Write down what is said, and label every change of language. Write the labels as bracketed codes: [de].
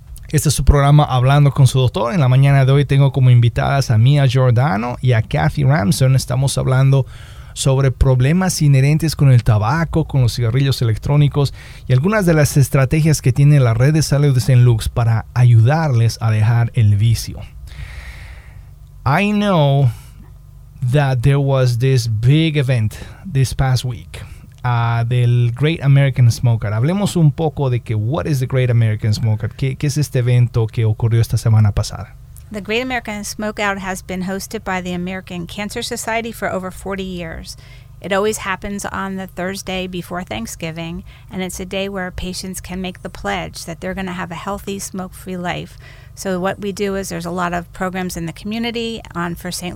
[es] Este es su programa Hablando con su Doctor. En la mañana de hoy tengo como invitadas a Mia Giordano y a Kathy Ramson. Estamos hablando sobre problemas inherentes con el tabaco, con los cigarrillos electrónicos y algunas de las estrategias que tiene la red de salud de St. Luke's para ayudarles a dejar el vicio. [en] I know that there was this big event this past week. [es] del Great American Smoker. Hablemos un poco de que, [en] what is the Great American Smoker? [es] ¿Qué es este evento que ocurrió esta semana pasada? [en] The Great American Smokeout has been hosted by the American Cancer Society for over 40 years. It always happens on the Thursday before Thanksgiving, and it's a day where patients can make the pledge that they're going to have a healthy, smoke-free life. So what we do is there's a lot of programs in the community. For St.